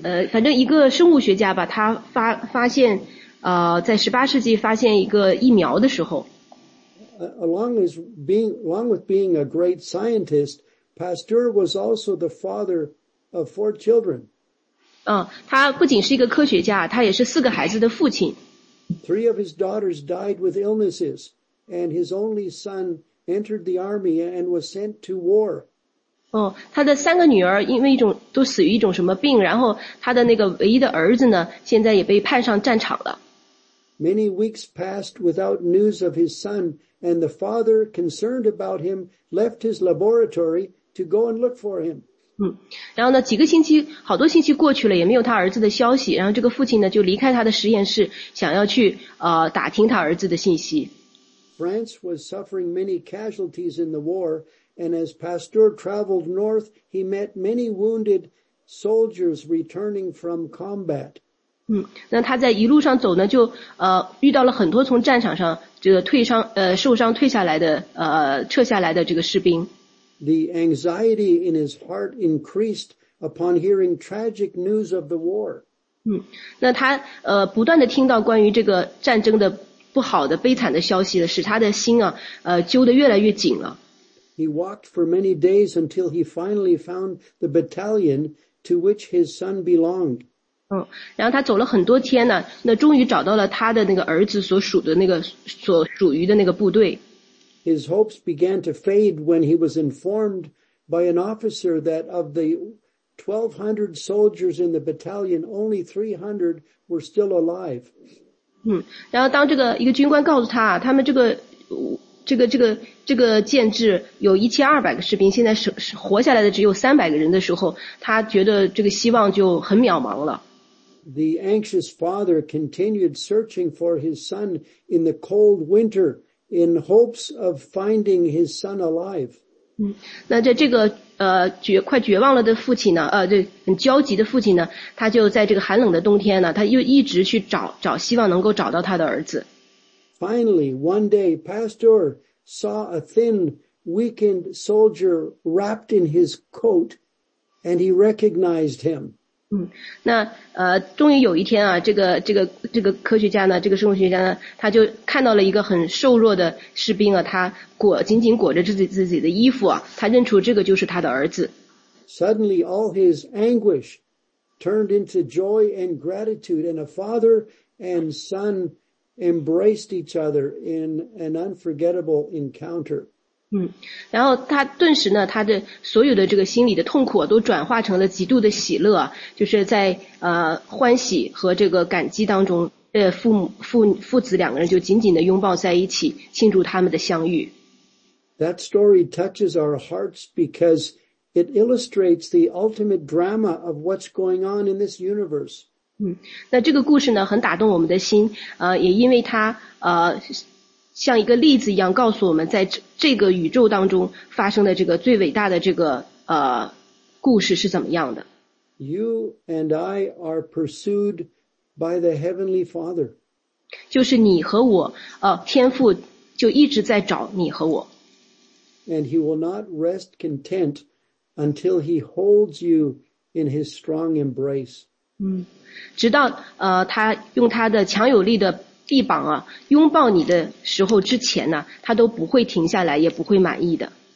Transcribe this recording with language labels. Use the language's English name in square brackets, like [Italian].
[Chinese] 反正一个生物学家吧，他发现在18世纪发现一个疫苗的时候。 [English] Along with being a great scientist, Pasteur was also the father of four children. [Chinese] 他不仅是一个科学家，他也是四个孩子的父亲。 [English] Three of his daughters died with illnesses, and his only son entered the army and was sent to war. [Chinese] 他的三个女儿因为都死于一种什么病，然后他的那个唯一的儿子呢，现在也被派上战场了。 [English] Many weeks passed without news of his son, and the father, concerned about him, left his laboratory to go and look for him. [Chinese] 然后呢，几个星期，好多星期过去了，也没有他儿子的消息。然后这个父亲呢，就离开他的实验室，想要去打听他儿子的信息。 [English] France was suffering many casualties in the war, and as Pasteur traveled north, he met many wounded soldiers returning from combat. [Chinese] 那他在一路上走呢，就遇到了很多从战场上这个受伤退下来的撤下来的这个士兵。 [English] The anxiety in his heart increased upon hearing tragic news of the war. [Chinese] 那他不断的听到关于这个战争的不好的悲惨的消息了，使他的心啊揪得越来越紧了。 [English] He walked for many days until he finally found the battalion to which his son belonged. [Chinese] 然后他走了很多天呢，那终于找到了他的那个儿子所属于的那个部队。 [English] His hopes began to fade when he was informed by an officer that of the 1,200 soldiers in the battalion, only 300 were still alive. [Chinese] 然后当这个一个军官告诉他，他们这个建制有1200个士兵，现在活下来的只有300个人的时候，他觉得这个希望就很渺茫了。 [English] The anxious father continued searching for his son in the cold winter in hopes of finding his son alive. [Chinese] 那在这个快绝望了的父亲呢，这很焦急的父亲呢，他就在这个寒冷的冬天呢，他又一直去找希望能够找到他的儿子。 [English] Finally, one day, Pasteur saw a thin, weakened soldier wrapped in his coat, and he recognized him. [Chinese] 那终于有一天啊，这个科学家呢，这个生物学家呢，他就看到了一个很瘦弱的士兵啊，他紧紧裹着自己的衣服啊，他认出这个就是他的儿子。 [English] Suddenly, all his anguish turned into joy and gratitude, and a father and son embraced each other in an unforgettable encounter. [Chinese] 然后他顿时呢，他的所有的这个心里的痛苦、都转化成了极度的喜乐，就是在欢喜和这个感激当中，父子两个人就紧紧的拥抱在一起，庆祝他们的相遇。 [English] That story touches our hearts because it illustrates the ultimate drama of what's going on in this universe. [Chinese] 那这个故事呢很打动我们的心，也因为它像一个例子一样告诉我们在这个宇宙当中发生的这个最伟大的这个故事是怎么样的。 [English] You and I are pursued by the Heavenly Father. [Chinese] 就是你和我，天父就一直在找你和我。 [English] And he will not rest content until he holds you in his strong embrace. [Chinese] 直到他用他的强有力的臂膀啊拥抱你的时候之前呢，他都不会停下来，也不会满意的。